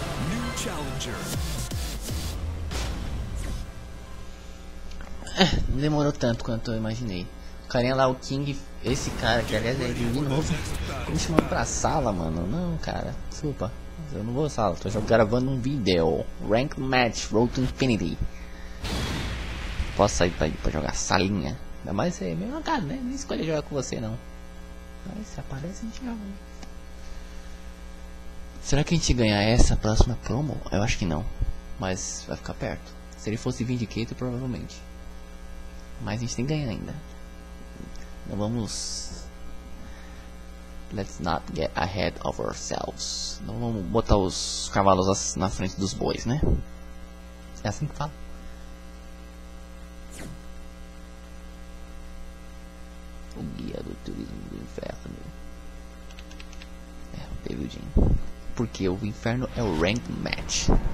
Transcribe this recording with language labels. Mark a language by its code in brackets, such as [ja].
[en] New challenger. [pt] Não demorou tanto quanto eu imaginei. O carinha lá, o King, esse cara que aliás é de novo, me chamando pra sala, mano. Não, cara, desculpa, mas eu não vou sala, tô gravando um vídeo. [en] Ranked Match, Road to Infinity. [pt] Posso sair pra jogar salinha? Ainda mais é meio jogado, né? Nem escolhi jogar com você, não. Mas se aparece, a gente joga. Será que a gente ganhar essa próxima promo? Eu acho que não, mas vai ficar perto. Se ele fosse Vindicator, provavelmente. Mas a gente tem que ganhar ainda. Então vamos. [en] Let's not get ahead of ourselves. [pt] Não vamos botar os cavalos na frente dos bois, né? É assim que fala. O guia do turismo do inferno. É, o David Jim. Porque o inferno é o ranked match.